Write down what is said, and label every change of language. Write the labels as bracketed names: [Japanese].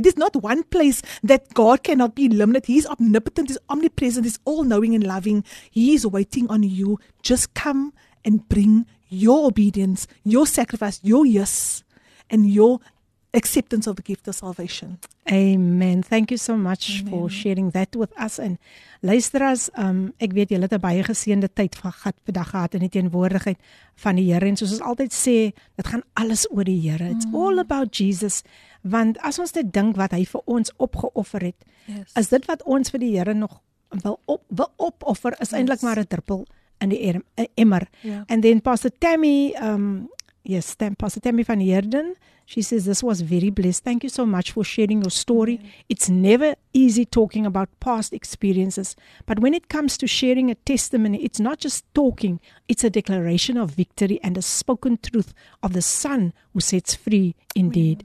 [English] There's not one place that God cannot be limited. He's omnipotent, he's omnipresent, he's all-knowing and loving. He is waiting on you. Just come and bring your obedience, your sacrifice, your yes, and your acceptance of the gift of salvation. Amen. Thank you so much Amen. For sharing that with us. [Afrikaans] And luisteraars, ek weet julle het 'n baie geseënde tyd van God vandag gehad in die teenwoordigheid van die Here. En soos ons altyd sê, dit gaan alles oor die Here. [English] It's all about Jesus. [Afrikaans] Want as ons net dink wat hy vir ons opgeoffer het, is dit wat ons vir die Here nog wil opoffer, is eintlik maar 'n druppel in die emmer. [English] Yeah. And then Pastor Tammy, Pastor Tammy van Heerden, she says, this was very blessed. Thank you so much for sharing your story. Yeah. It's never easy talking about past experiences. But when it comes to sharing a testimony, it's not just talking. It's a declaration of victory and a spoken truth of the Son who sets free indeed.